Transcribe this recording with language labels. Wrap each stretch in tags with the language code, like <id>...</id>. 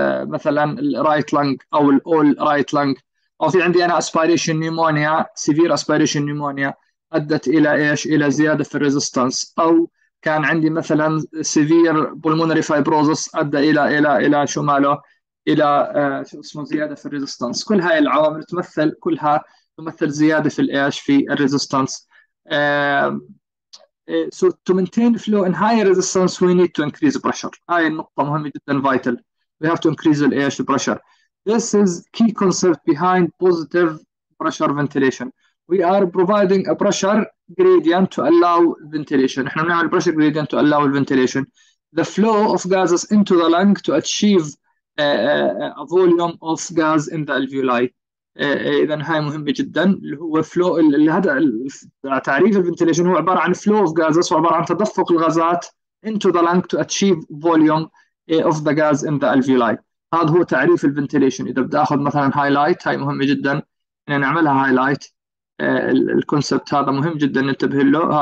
<ar>مثلاً right lung أو all right lung، أو في عندي أنا aspiration pneumonia، severe aspiration pneumonia أدت إلى إيش؟ إلى زيادة في resistance، أو كان عندي مثلاً severe pulmonary fibrosis أدى إلى إلى إلى شو ماله إلى شو اسمه زيادة في resistance. كل هاي العوامل تمثل، كلها تمثل زيادة في الإيش في الريزيستنس.</ar> <en>So to maintain flow in higher resistance we need to increase pressure.</en> <ar>هاي النقطة مهمة جدا vital.</ar> <en>We have to increase the إيش pressure. This is key concept behind positive pressure ventilation. We are providing a pressure gradient to allow ventilation.</en> <ar>إحنا بنعمل</ar> <en>pressure gradient to allow ventilation. The flow of gases into the lung to achieve a volume of gas in the alveoli.</en> <ar>إذن هاي مهمة جدا، اللي هو فلو الهدف تعريف الفنتيليشن هو عبارة عن فلو اوف غازز، وعبارة عن تدفق الغازات</ar> <en>into the lung to achieve volume of the gas in the alveoli.</en> <ar>هذا هو تعريف الفنتيليشن. إذا بدي أخذ مثلا هايلايت، هاي مهمة جدا إن نعملها هايلايت، الكونسبت هذا مهم جدا ننتبه له.</ar>